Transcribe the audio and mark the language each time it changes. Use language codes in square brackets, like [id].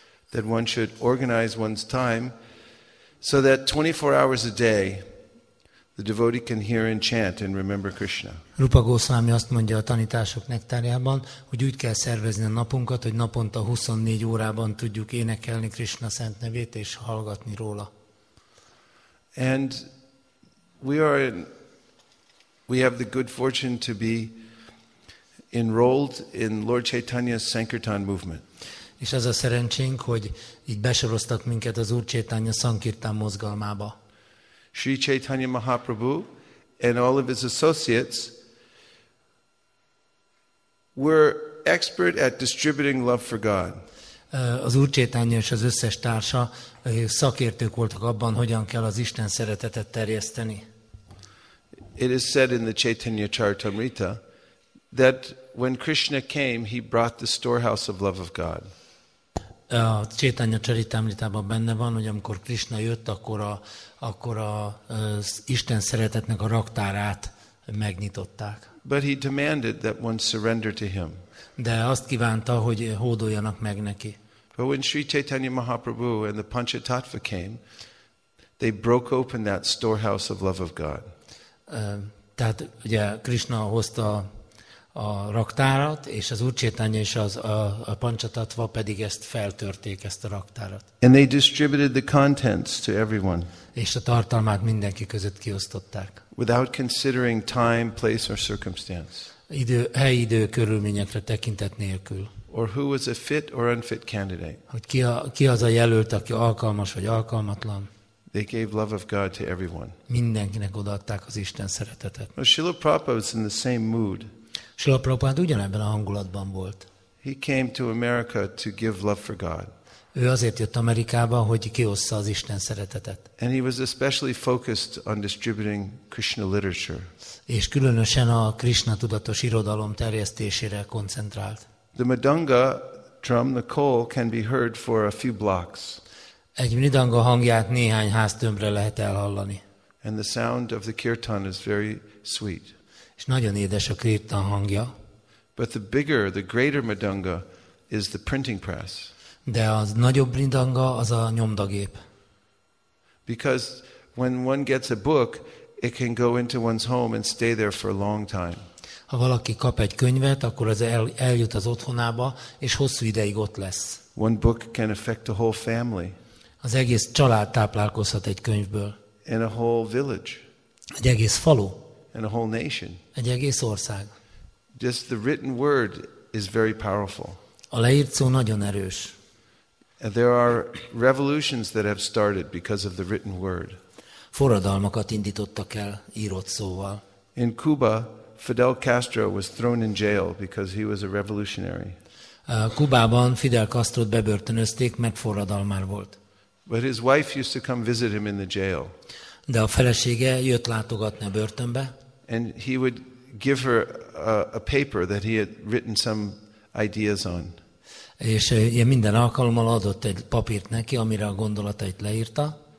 [en] That one should organize one's time so that 24 hours a day the devotee can hear and chant and remember Krishna. [hu] Rupa Goswami azt mondja a tanítások nektárjában, hogy úgy kell szervezni a napunkat, hogy naponta 24 órában tudjuk énekelni Krishna szent nevét és hallgatni róla. [en] And we have the good fortune to be enrolled in Lord Chaitanya's Sankirtan movement. [hu] És az a szerencsénk, hogy így besoroztak minket az Úr Chaitanya Sankirtan mozgalmába. [en] Sri Chaitanya Mahaprabhu and all of his associates were expert at distributing love for God. [hu] Az Úr Chaitanya és az összes társa szakértők voltak abban, hogyan kell az Isten szeretetet terjeszteni. [en] It is said in the Chaitanya Charitamrita that when Krishna came, he brought the storehouse of love of God. [hu] A Chaitanya Charitamritában benne van, hogy amikor Krishna jött, akkor az Isten szeretetnek a raktárát megnyitották. [en] But he demanded that one surrender to him. [hu] De azt kívánta, hogy hódoljanak meg neki. [en] But when Sri Chaitanya Mahaprabhu and the Panchatattva came, they broke open that storehouse of love of God. [hu] Tehát ugye Krishna hozta a raktárat, és az Úr Chaitanya és a Panchatattva pedig ezt feltörték, ezt a raktárat. [en] And they distributed the contents to everyone. [hu] És a tartalmát mindenki között kiosztották. [en] Without considering time, place or circumstance. [hu] Helyidő körülményekre tekintet nélkül. [en] Or who was a fit or unfit candidate. [hu] Hogy ki az a jelölt, aki alkalmas vagy alkalmatlan. [en] They gave love of God to everyone. [hu] Mindenkinek odaadták az Isten szeretetet. [en] Srila Prabhupada was in the same mood. [hu] Srila Prabhupada ugyanebben a hangulatban volt. [en] He came to America to give love for God. [hu] Ő azért jött Amerikába, hogy kiossza az Isten szeretetet. [en] And he was especially focused on distributing Krishna literature. [hu] És különösen a Krishna tudatos irodalom terjesztésére koncentrált. [en] The mridanga drum, the call can be heard for a few blocks. [hu] Egy mridanga hangját néhány háztömbre lehet elhallani. [en] And the sound of the kirtan is very sweet. [hu] És nagyon édes a kirtan hangja. [en] But the bigger, the greater mridanga is the printing press. [hu] De az nagyobb mridanga az a nyomdagép. [en] Because when one gets a book, it can go into one's home and stay there for a long time. [hu] Ha valaki kap egy könyvet, akkor az eljut az otthonába, és hosszú ideig ott lesz. [en] One book can affect a whole family. [hu] Az egész család táplálkozhat egy könyvből. [en] And a whole village. [hu] Egy egész falu. [en] and a whole nation. [hu] Egy egész ország. [en] Just the written word is very powerful. [hu] A leírt szó nagyon erős. [en] There are revolutions that have started because of the written word. [hu] Forradalmakat indítottak el írott szóval. [en] In Cuba, Fidel Castro was thrown in jail because he was a revolutionary. [hu] Kubában Fidel Castro-t bebörtönözték, mert forradalmár volt. [en] But his wife used to come visit him in the jail. [hu] De a felesége jött látogatni a börtönbe. [en] And he would give her a paper that he had written some ideas on. [hu] És minden alkalommal adott egy papírt neki, amire a gondolatait leírta.